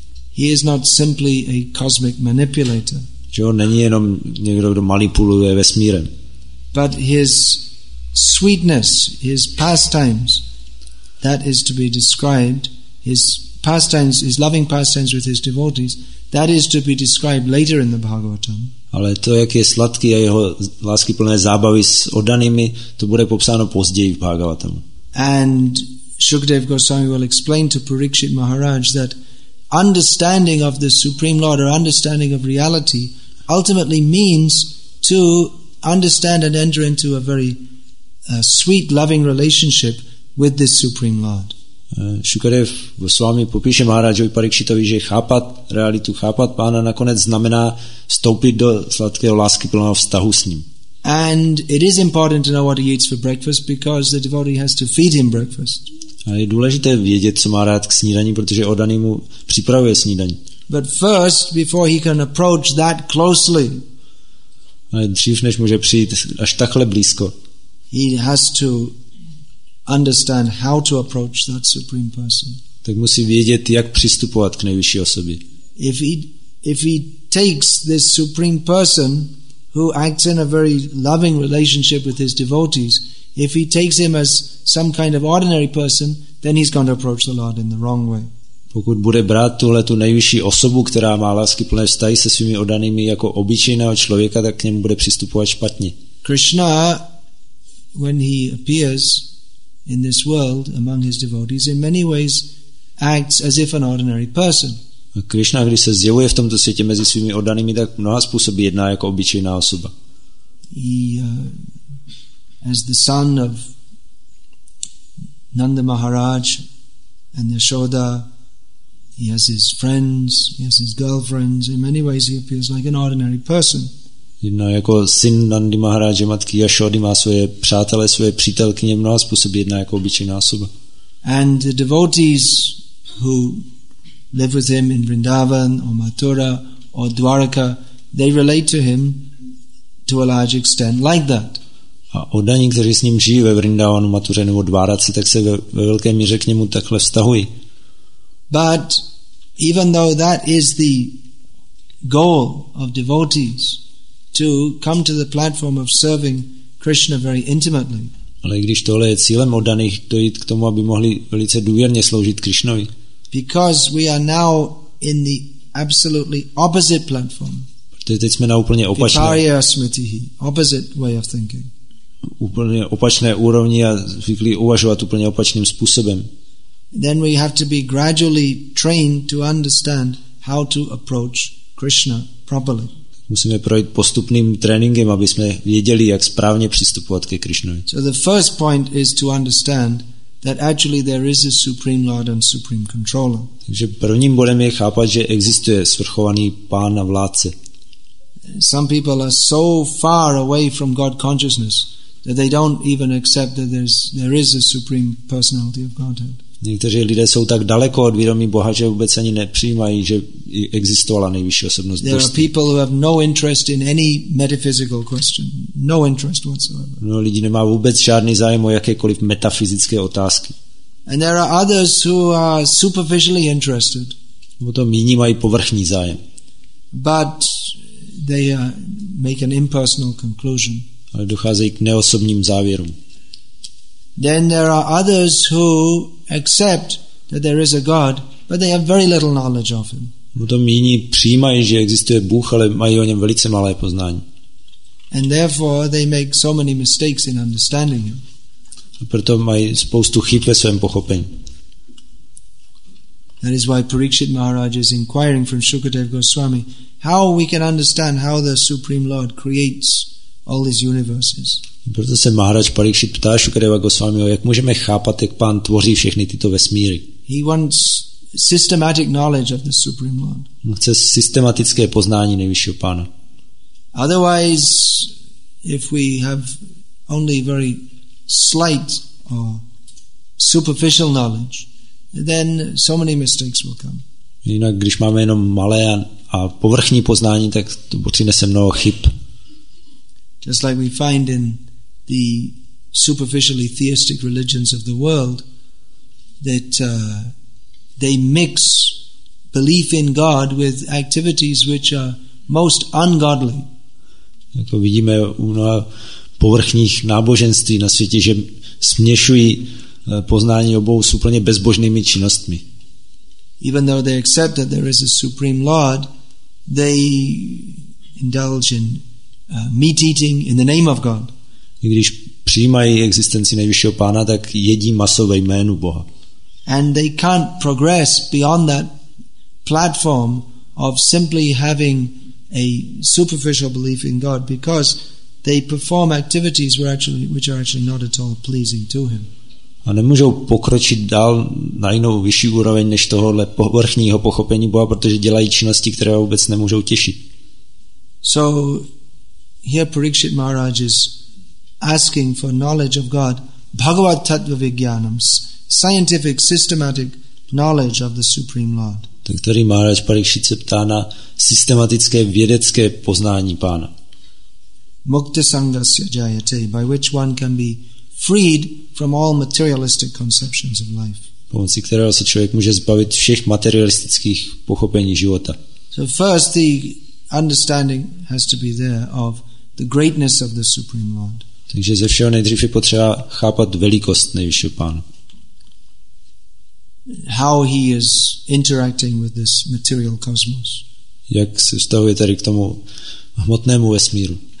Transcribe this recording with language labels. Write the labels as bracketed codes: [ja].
[en] He is not simply a cosmic manipulator. [cs] Že on není jenom někdo, kdo manipuluje vesmírem. [en] But his sweetness, his pastimes, that is to be described, his pastimes, his loving pastimes with his devotees, that is to be described later in the Bhagavatam. [cs] Ale to, jak je sladký a jeho láskyplné zábavy s oddanými, to bude popsáno později v Bhagavatam. [en] And Shukadev Goswami will explain to Parikshit Maharaj that understanding of the Supreme Lord or understanding of reality ultimately means to understand and enter into a very sweet, loving relationship with this Supreme Lord. [cs] Shukadev Goswami popíše Maharajovi Parikšitovi, že chápat realitu, chápat pána nakonec znamená vstoupit do sladkého lásky plného vztahu s ním. [en] And it is important to know what he eats for breakfast because the devotee has to feed him breakfast. [cs] A je důležité vědět, co má rád k snídani, protože oddaný mu připravuje snídani. [en] But first, before he can approach that closely, [cs] ale dřív, než může přijít až takhle blízko, [en] he has to understand how to approach that supreme person. [cs] Tak musí vědět, jak přistupovat k nejvyšší osobě. [en] If he takes this supreme person who acts in a very loving relationship with his devotees, if he takes him as some kind of ordinary person, then he's going to approach the Lord in the wrong way. [cs] Pokud bude brát tuhle tu nejvyšší osobu, která má láskyplné vztahy se svými oddanými jako obyčejného člověka, tak k němu bude přistupovat špatně. [en] Krishna, when he appears in this world among his devotees, in many ways acts as if an ordinary person. [cs] A Krishna, když se zjevuje v tomto světě mezi svými oddanými, tak mnoha způsoby jedná jako obyčejná osoba. [en] He, as the son of Nanda Maharaj and Yashoda, he has his friends, he has his girlfriends. In many ways, he appears like an ordinary person. [cs] jedná jako syn Nandy Maharaje, matky Yashody, má svoje přátelé, svoje přítelkyně, mnoha způsobí, jedná jako obyčejná osoba. [en] And the devotees who live with him in Vrindavan or Mathura or Dwaraka, they relate to him to a large extent like that. [cs] A oddaní, kteří s ním žijí ve Vrindavanu, Mathuře nebo Dvaraci, tak se ve velké míře k němu takhle vztahují. [en] But even though that is the goal of devotees to come to the platform of serving Krishna very intimately. [cs] Ale když tohle je cílem oddaných, dojít k tomu, aby mohli velice důvěrně sloužit Krišnovi. [en] Because we are now in the absolutely opposite platform. [cs] Protože teď jsme na úplně opačné. [sa] Viparya smritihi, [en] opposite way of thinking. [cs] Úplně opačné úrovni a zvyklí uvažovat úplně opačným způsobem. [en] Then we have to be gradually trained to understand how to approach Krishna properly. [cs] Musíme projít postupným tréninkem, aby jsme věděli, jak správně přistupovat ke Krišnovi. [en] So the first point is to understand that actually there is a supreme lord and supreme controller. [cs] Takže prvním bodem je chápat, že existuje svrchovaný pán a vládce. [en] Some people are so far away from God consciousness that they don't even accept that there is a supreme personality of Godhead. [cs] Někteří lidé jsou tak daleko od vědomí Boha, že vůbec ani nepřijímají, že existovala nejvyšší osobnost. [en] There are people who have no interest in any metaphysical question. No interest whatsoever. [cs] No, lidi nemá vůbec žádný zájem o jakékoliv metafyzické otázky. [en] And there are others who are superficially interested. [cs] Potom jiní mají povrchní zájem. [en] But they make an impersonal conclusion. [cs] Ale docházejí k neosobním závěrům. [en] Then there are others who accept that there is a God, but they have very little knowledge of him. [cs] Potom jiní přijímají, že existuje Bůh, ale mají o něm velice malé poznání. [en] And therefore they make so many mistakes in understanding him. [cs] A proto mají spoustu chyb ve svém pochopení. [en] That is why Parikshit Maharaj is inquiring from Shukadev Goswami how we can understand how the Supreme Lord creates all these universes. [cs] Proto se Maharaj Parikshit ptá Shukadeva Goswamiho, jak můžeme chápat, jak pán tvoří všechny tyto vesmíry. [en] He wants systematic knowledge of the Supreme Lord. [cs] Chce systematické poznání nejvyššího pána. [en] Otherwise, if we have only very slight or superficial knowledge, then so many mistakes will come. [cs] Jinak, když máme jenom malé a povrchní poznání, tak to přinese mnoho chyb. [en] Just like we find in the superficially theistic religions of the world, that they mix belief in God with activities which are most ungodly. [cs] Jako vidíme u mnoha povrchních náboženství na světě, že směšují poznání obou s úplně bezbožnými činnostmi. [en] Even though they accept that there is a supreme Lord, they indulge in meat eating in the name of God. [cs] I když přijímají existenci nejvyššího pána, tak jedí maso ve jménu Boha. [en] And they can't progress beyond that platform of simply having a superficial belief in God because they perform activities which are actually not at all pleasing to him. [cs] A nemůžou pokročit dál na jinou vyšší úroveň než tohohle povrchního pochopení Boha, protože dělají činnosti, které vůbec nemůžou těšit. [en] So here Parikshit Maharaj is asking for knowledge of God, [sa] Bhagavat Tattva Vigyanam, [en] scientific, systematic knowledge of the Supreme Lord. [cs] Tak tady Maharaj Parikshit se ptá na systematické vědecké poznání pána. [sa] Mukta Sangasya Jayate, [en] by which one can be freed from all materialistic conceptions of life. [cs] Pomocí kterého se člověk může zbavit všech materialistických pochopení života. [en] So first the understanding has to be there of the greatness of the Supreme Lord. [cs] Takže ze všeho nejdřív je potřeba chápat velikost nejvyššího pána. [en] How he is interacting with this material cosmos. [cs] Jak se vztahuje tady k tomu hmotnému vesmíru.